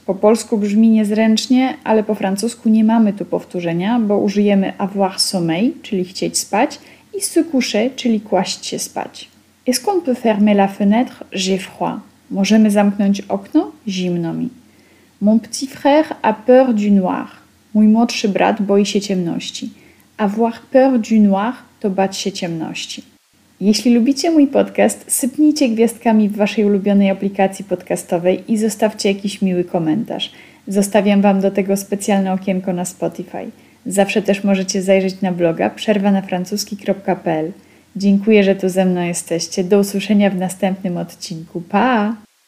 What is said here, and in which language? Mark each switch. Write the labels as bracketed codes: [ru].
[pl] Po polsku brzmi niezręcznie, ale po francusku nie mamy tu powtórzenia, bo użyjemy [fr] avoir sommeil, [pl] czyli chcieć spać, i [fr] se coucher, [pl] czyli kłaść się spać. [fr] Est-ce qu'on peut fermer la fenêtre? J'ai froid. [pl] Możemy zamknąć okno? Zimno mi. [fr] Mon petit frère a peur du noir. [pl] Mój młodszy brat boi się ciemności. [fr] Avoir peur du noir [pl] to bać się ciemności. Jeśli lubicie mój podcast, sypnijcie gwiazdkami w waszej ulubionej aplikacji podcastowej i zostawcie jakiś miły komentarz. Zostawiam wam do tego specjalne okienko na Spotify. Zawsze też możecie zajrzeć na bloga przerwanafrancuski.pl. Dziękuję, że tu ze mną jesteście. Do usłyszenia w następnym odcinku. Pa!